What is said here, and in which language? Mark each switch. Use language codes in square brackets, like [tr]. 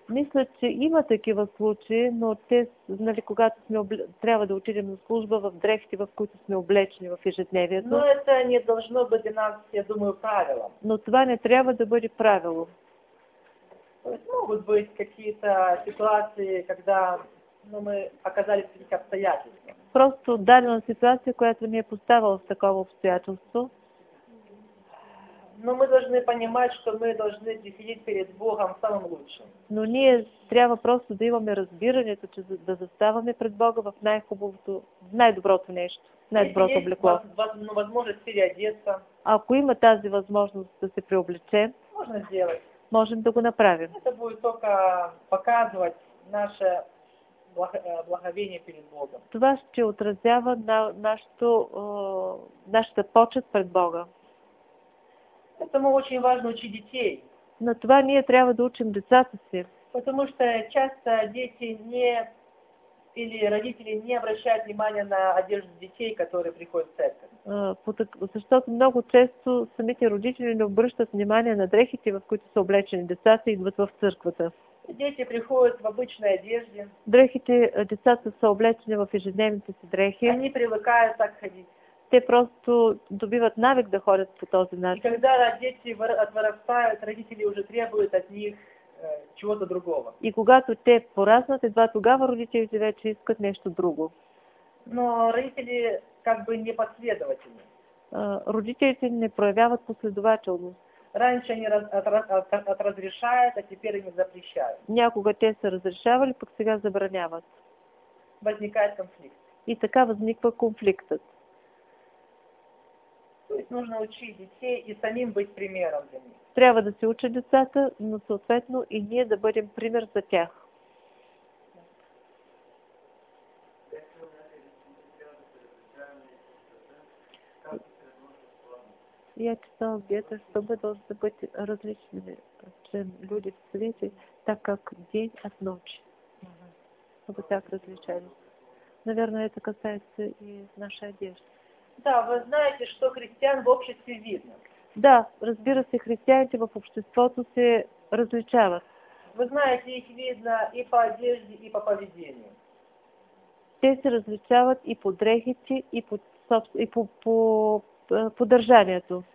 [bg] Мисля, че има такива случаи, но те, нали, когато сме трябва да отидем на служба в дрехите, в които сме облечени в ежедневието. [ru] Но это не должно быть для нас, я думаю, правилом. [bg] Но това не трябва да бъде правило. [ru] То есть могут быть какие-то ситуации, когда мы оказались в таких обстоятельствах. [bg] Просто дадена ситуация, която ни е поставила в такова обстоятелство. [ru] Но мы должны понимать, что мы должны приходить перед Богом самым лучшим. [bg] Но ние трябва просто да имаме разбирането, че да заставаме пред Бога в най-хубавото, в най-доброто нещо, в най-доброто облекло. Възможност [ru] переодеться. [bg] Ако има тази възможност да се преоблечем, [ru] можно сделать. [bg] Можем да го направим. [ru] Это будет только показывать наше благовение перед Богом. [bg] Това ще отразява на нашата почет пред Бога. [ru] Поэтому очень важно учить детей. [bg] На това ние трябва да учим децата си. [ru] Потому что часто дети не или родители не обращают внимания на одежду детей, которые приходят в церковь. [bg] Защото много често самите родители не обръщат внимание на дрехите, в които са облечени децата и идват в църквата. [ru] дети приходят в обычной одежде. [bg] Дрехите, децата са облечени в ежедневните си дрехи. [ru] Они привыкают так ходить. [bg] Те просто добиват навик да ходят по този начин. [ru] И когда дети отрастают, родители уже требуют от них чего-то другого. [bg] И когато те пораснат, едва тогава родителите вече искат нещо друго. [ru] Но родители как бы непоследователны. [bg] Родителите не проявяват последователност. [ru] Раньше они разрешают, а теперь они запрещают. [bg] Някога те са разрешавали, пък сега забраняват. [ru] Возникает конфликт. [bg] И така възниква конфликтът. [ru] Нужно учить детей и самим быть примером для них. [bg] Трябва да се уча децата, но съответно и ние да бъдем пример за тях. [ru] Я читал где-то, чтобы должны быть различными, чем люди в свете, так как день от ночи. Чтобы так различались. Наверное, это касается и нашей одежды. Да, вы знаете, что христиан в обществе видно. [bg] Да, разбира се, христианите в обществото се различават. [ru] Вы знаете, их видно и по одежде, и по поведению. [bg] Те се различават и по дрехите, и по подържанието.